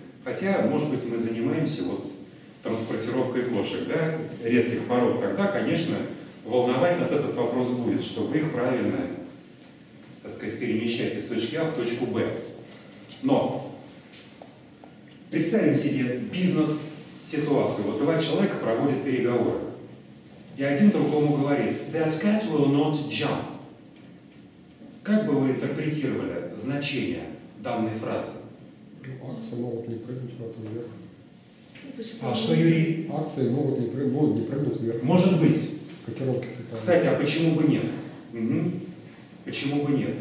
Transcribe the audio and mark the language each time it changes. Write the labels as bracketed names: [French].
[Russian] Хотя, может быть, мы занимаемся вот транспортировкой кошек, да, редких пород. Тогда, конечно, волновать нас этот вопрос будет, чтобы их правильно, так сказать, перемещать из точки А в точку Б. Но представим себе бизнес-ситуацию. Вот два человека проводят переговоры. И один другому говорит, [English] that cat will not jump. [Russian] Как бы вы интерпретировали значение данной фразы? Акции могут не прыгнуть в этом вверх. А что, Юрий? Акции могут не прыгнуть, вверх. Может быть. Котировки. Кстати, а почему бы нет? Угу. Почему бы нет?